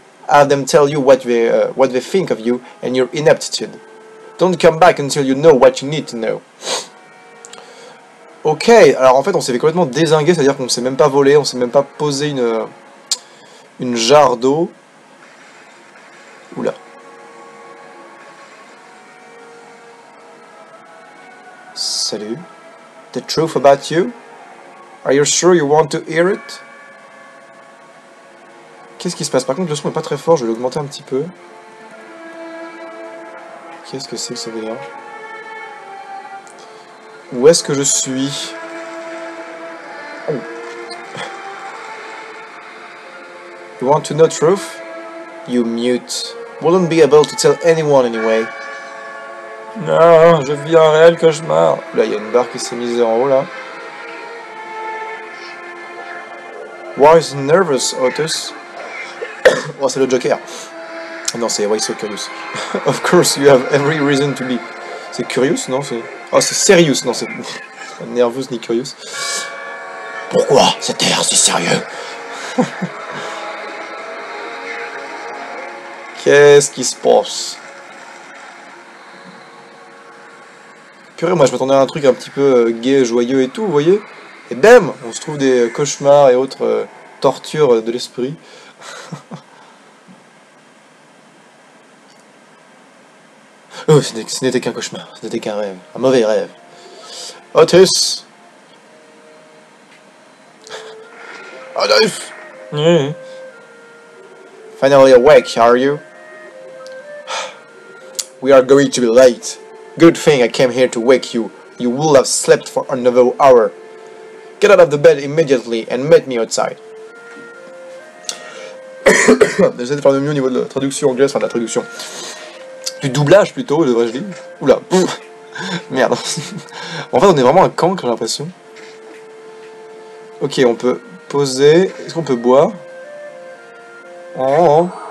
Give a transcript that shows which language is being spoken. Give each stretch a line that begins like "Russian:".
English: Have them tell you what they think of you and your ineptitude. Don't come back until you know what you need to know.
French: Ok, alors en fait on s'est fait complètement désinguer, c'est-à-dire qu'on s'est même pas volé, on s'est même pas posé une jarre d'eau. Oula.
English: Salut. The truth about you? Are you sure you want to hear it?
French: Qu'est-ce qui se passe? Par contre le son est pas très fort, je vais l'augmenter un petit peu. Qu'est-ce que c'est que ce délire? Où est-ce que je suis?
English: Oh. You want to know truth? You mute. Wouldn't be able to tell anyone anyway.
French: Non, je vis un réel cauchemar. Là, il y a une barre qui s'est mise en haut, là. Why is nervous, Otus? Oh, c'est le Joker. Non, c'est why so curious.
English: Of course, you have every reason to be.
French: C'est curious, non? C'est... Oh, c'est serious, non, c'est nervous ni curious. Pourquoi cet air si sérieux? Qu'est-ce qui se passe? Purée, moi je m'attendais à un truc un petit peu gay, joyeux et tout, vous voyez? Et bam, on se trouve des cauchemars et autres tortures de l'esprit. Oh, ce n'était qu'un cauchemar, ce n'était qu'un rêve, un mauvais rêve. Otus! Otus! Oui.
English: Finally awake, are you? We are going to be late. Good thing I came here to wake you. You will have slept for another hour. Get out of the bed immediately and meet me outside.
French: J'essaie de faire le mieux au niveau de la traduction anglaise, enfin de la traduction. Du doublage plutôt, devrais-je dire. Oula, pouf. Merde. En fait, on est vraiment un camp, j'ai l'impression. Ok, on peut poser. Est-ce qu'on peut boire? Oh,